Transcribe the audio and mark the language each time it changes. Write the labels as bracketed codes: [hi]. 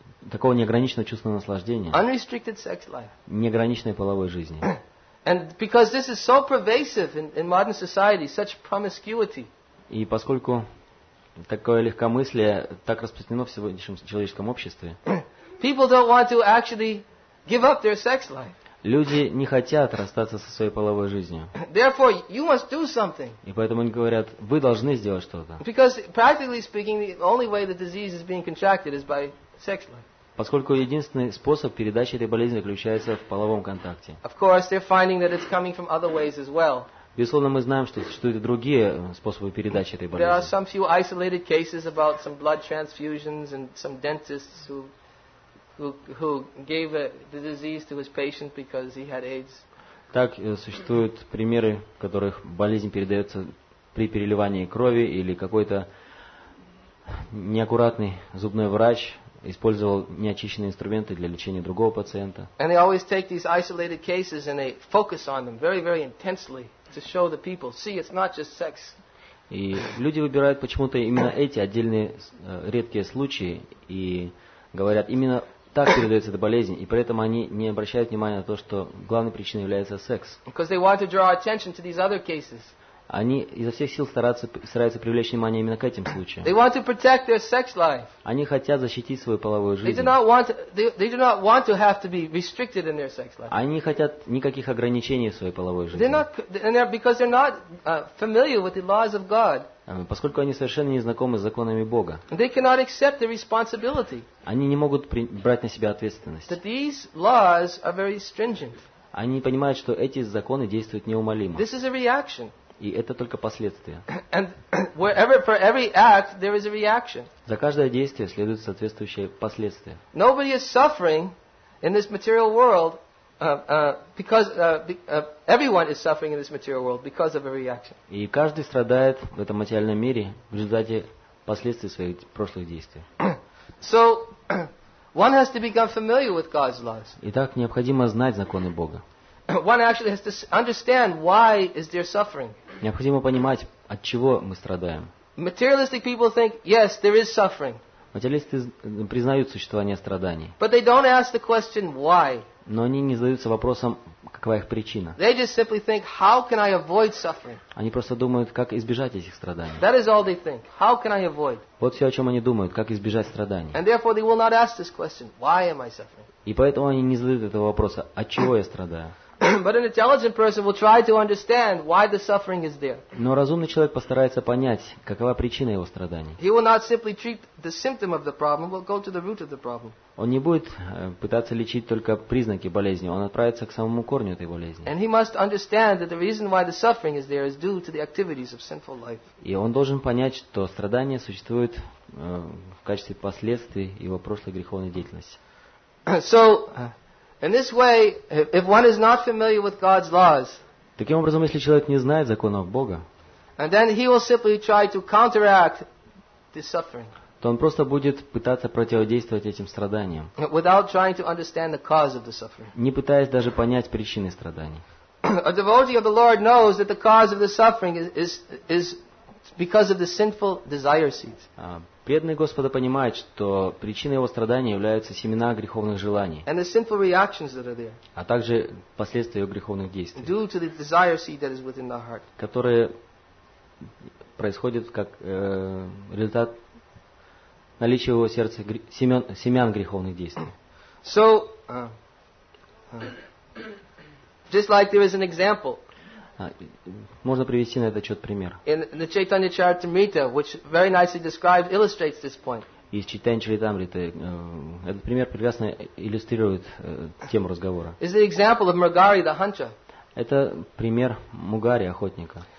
[ru] Такого неограниченного чувственного наслаждения. [en] Unrestricted sex life. [ru] Неограниченной половой жизни. [en] And because this is so pervasive in modern society, such promiscuity. [ru] И поскольку такое легкомыслие так распространено в сегодняшнем человеческом обществе. [en] People don't want to actually give up their sex life. [ru] Люди не хотят расстаться со своей половой жизнью. [en] Therefore, you must do something. [ru] И поэтому они говорят, вы должны сделать что-то. [en] Because practically speaking, the only way the disease is being contracted is by sex life. [ru] Поскольку единственный способ передачи этой болезни заключается в половом контакте. [en] Of course, they're finding that it's coming from other ways as well. [ru] Безусловно, мы знаем, что существуют и другие способы передачи этой болезни. [en] There are some few isolated cases about some blood transfusions and some dentists who gave the disease to his patient because he had AIDS. [ru] Так существуют примеры, в которых болезнь передается при переливании крови, или какой-то неаккуратный зубной врач использовал неочищенные инструменты для лечения другого пациента. [en] And they always take these isolated cases and they focus on them very, very intensely to show the people, see, it's not just sex. [ru] И люди выбирают почему-то именно эти отдельные редкие случаи и говорят, именно так передается эта болезнь, и при этом они не обращают внимания на то, что главной причиной является секс. [en] Because they want to draw attention to these other cases. [ru] Они изо всех сил стараются привлечь внимание именно к этим случаям. [en] They want to protect their sex life. [ru] Они хотят защитить свою половую жизнь. [en] They do not want to have to be restricted in their sex life. [ru] Они не хотят никаких ограничений в своей половой жизни. [en] Because they're not familiar with the laws of God. [ru] Поскольку они совершенно не знакомы с законами Бога, [en] they cannot accept the responsibility. [ru] Они не могут брать на себя ответственность. [en] That these laws are very stringent. [ru] Они понимают, что эти законы действуют неумолимо. [en] This is a reaction. [ru] И это только последствия. [en] And wherever, for every act, there is a reaction. [ru] За каждое действие следует соответствующее последствие. [en] Nobody is suffering in this material world because everyone is suffering in this material world because of a reaction. [ru] И каждый страдает в этом материальном мире в результате последствий своих прошлых действий. [en] So one has to become familiar with God's laws. [ru] Итак, необходимо знать законы Бога. [en] One actually has to understand why is there suffering. [ru] Необходимо понимать, от чего мы страдаем. [en] Materialistic people think, yes, there is suffering. [ru] Материалисты признают существование страданий. [en] But they don't ask the question why. [ru] Но они не задаются вопросом, какова их причина. [en] They just simply think, how can I avoid suffering? [ru] Они просто думают, как избежать этих страданий. [en] That is all they think. How can I avoid? [ru] Вот все, о чем они думают, как избежать страданий. [en] And therefore they will not ask this question, why am I suffering? [ru] И поэтому они не задают этого вопроса, от чего я страдаю. [en] But an intelligent person will try to understand why the suffering is there. [ru] Но разумный человек постарается понять, какова причина его страданий. [en] He will not simply treat the symptom of the problem, but go to the root of the problem. [ru] Он не будет пытаться лечить только признаки болезни, он отправится к самому корню этой болезни. [en] And he must understand that the reason why the suffering is there is due to the activities of sinful life. [ru] И он должен понять, что страдания существуют в качестве последствий его прошлой греховной деятельности. [en] So in this way, if one is not familiar with God's laws, [ru] таким образом, если человек не знает законов Бога, [en] and then he will simply try to counteract the suffering, [ru] то он просто будет пытаться противодействовать этим страданиям, [en] without trying to understand the cause of the suffering, [ru] не пытаясь даже понять причины страданий. [en] A devotee of the Lord knows that the cause of the suffering is because of the sinful desire seeds. [ru] Преданный Господа понимает, что причиной его страдания являются семена греховных желаний. [en] And the sinful reactions that are there. [ru] А также последствия его греховных действий. [en] Due to the desire seed that is within the heart. [ru] Которые происходят как результат наличия его сердца семян греховных действий. [en] So, just like there is an example. [ru] Можно привести на этот счет пример. [en] In the Chaitanya Charitamrita, which very nicely describes, illustrates this point. [ru] Из Чайтанья Чаритамриты этот пример прекрасно иллюстрирует тему разговора. [en] Is the example of Mrugari the Hunter. [ru] Это пример Мугари охотника.